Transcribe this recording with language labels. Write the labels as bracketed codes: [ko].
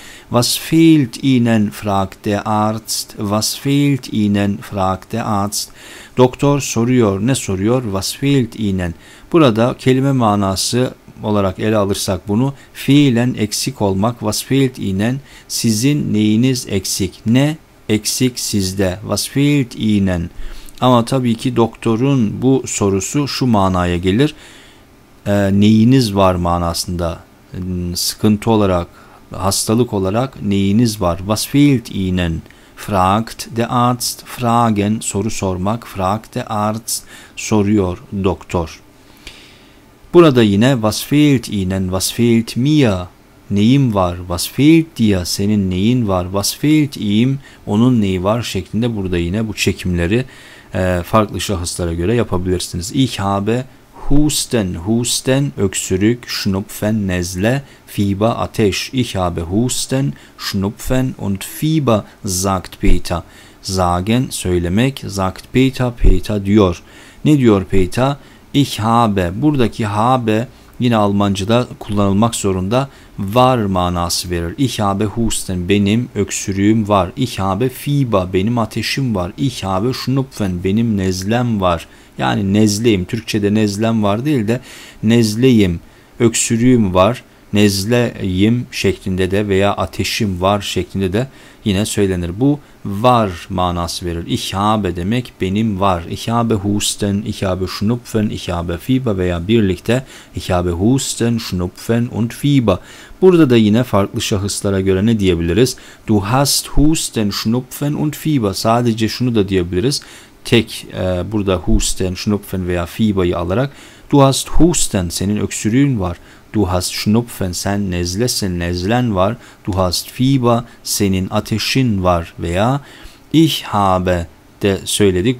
[de] Was fehlt Ihnen, fragt der Arzt. Was fehlt Ihnen, fragt der Arzt. [tr] Doktor soruyor, ne soruyor? [de] Was fehlt Ihnen? [tr] Burada kelime manası olarak ele alırsak bunu, fiilen eksik olmak. [de] Was fehlt Ihnen? [tr] Sizin neyiniz eksik? Ne eksik sizde? [de] Was fehlt Ihnen? [tr] Ama tabii ki doktorun bu sorusu şu manaya gelir. Neyiniz var manasında. Sıkıntı olarak, hastalık olarak neyiniz var? [de] Was fehlt Ihnen? Fragt der Arzt. [tr] Fragen, soru sormak. [de] Fragt der Arzt, [tr] soruyor doktor. [de] Burada yine was fehlt Ihnen? Was fehlt mir? [tr] Neyim var? [de] Was fehlt dir? [tr] Senin neyin var? [de] Was fehlt ihm? [tr] Onun neyi var? Şeklinde burada yine bu çekimleri farklı şahıslara göre yapabilirsiniz. [de] Ich habe husten, husten, öksürük, schnupfen, nezle, fieber, ateş. Ich habe husten, schnupfen und fieber, sagt Peter. [tr] Sagen, söylemek, [de] sagt Peter, [tr] Peter diyor. Ne diyor Peter? Ich habe, buradaki habe yine Almanca'da kullanılmak zorunda, var manası verir. [de] Ich habe husten, [tr] benim öksürüğüm var. [de] Ich habe fieber, [tr] benim ateşim var. [de] Ich habe schnupfen, [tr] benim nezlem var. Yani nezleyim, Türkçe'de nezlem var değil de nezleyim, öksürüğüm var, nezleyim şeklinde de veya ateşim var şeklinde de yine söylenir. Bu var manası verir. Ich habe demek benim var. [de] Ich habe husten, ich habe schnupfen, ich habe fieber [tr] veya birlikte [de] ich habe husten, schnupfen und fieber. [tr] Burada da yine farklı şahıslara göre ne diyebiliriz? [de] Du hast husten, schnupfen und fieber. [tr] Sadece şunu da diyebiliriz. Tek burada husten, schnupfen veya fieber'ı alarak [de] du hast husten, [tr] senin öksürüğün var. [de] Du hast schnupfen, [tr] sen nezlesin, nezlen var. [de] Du hast fieber, [tr] senin ateşin var. Veya ich habe de söyledik.